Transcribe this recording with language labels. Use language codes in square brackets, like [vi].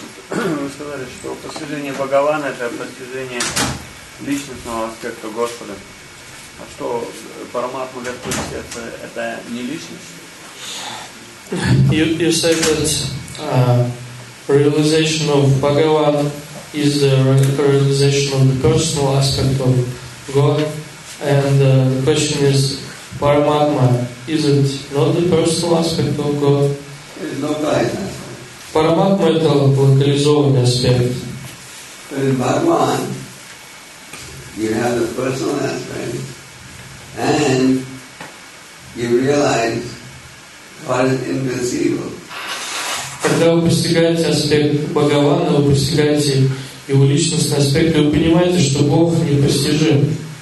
[ru] Вы сказали, что постижение Бхагавана — это постижение личностного аспекта Господа. А что, Параматма Господь сердца — это не личность? [en] You said that realization of Bhagavan is the realization of the personal aspect of God, and the question is, Paramatma, is it not the personal aspect of God? It's not like that. Paramatma is the localized aspect. But in Bhagavan, you have the personal aspect, and you realize God is inconceivable. [ru] Когда вы постигаете аспект Бхагавана, вы постигаете его личностный аспект, и вы понимаете, что Бог непостижим.